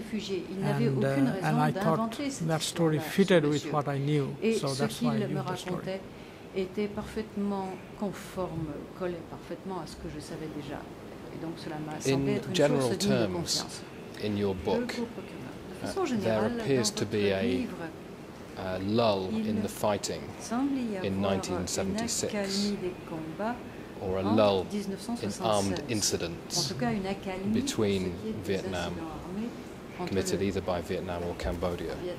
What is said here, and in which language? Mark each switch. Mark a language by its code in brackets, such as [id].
[en] And I thought that story fitted with what I knew, so that's why I knew the story. [fr] Était parfaitement conforme, collait parfaitement à ce que je savais déjà. Et donc cela m'a [en] in general terms, in your book, there appears to be a lull in the fighting in 1976, or a lull in armed incidents between Vietnam, committed either by Vietnam or Cambodia.